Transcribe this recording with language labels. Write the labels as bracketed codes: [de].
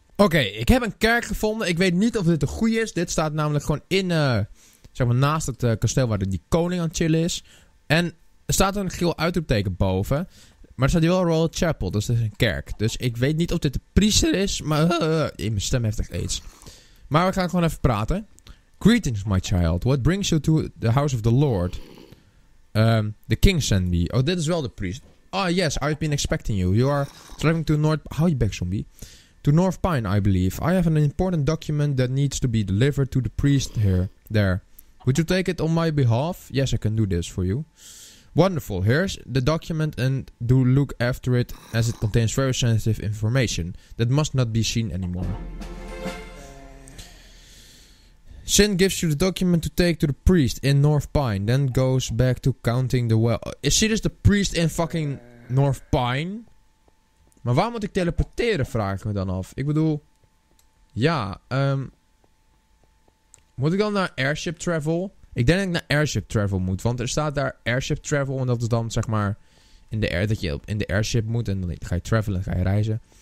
[nl] Oké, ik heb een kerk gevonden. Ik weet niet of dit de goede is. Dit staat namelijk gewoon in, zeg maar, naast het kasteel waar die koning aan het chillen is. En er staat een geel uitroepteken boven. Maar er staat hier wel Royal Chapel, dus dat is een kerk. Dus ik weet niet of dit de priester is, maar mijn stem heeft echt aids. Maar we gaan gewoon even praten. [en] Greetings, my child. What brings you to the house of the Lord? The king sent me. [nl] Oh, dit is wel de priest. [en] Oh, yes, I've been expecting you. You are traveling to North... [nl] Hou je bek, zombie. [en] To North Pine, I believe. I have an important document that needs to be delivered to the priest here. There. Would you take it on my behalf? Yes, I can do this for you. Wonderful. Here's the document and do look after it as it contains very sensitive information that must not be seen anymore. Sin gives you the document to take to the priest in North Pine, then goes back to counting the well. Is she just the priest in fucking North Pine? [nl] Maar waar moet ik teleporteren, vraag ik me dan af. Ik bedoel, ja, moet ik dan naar Airship Travel? Ik denk dat ik naar Airship Travel moet, want er staat daar Airship Travel, en dat is dan, zeg maar, in de air, dat je in de airship moet, en dan ga je travelen en ga je reizen.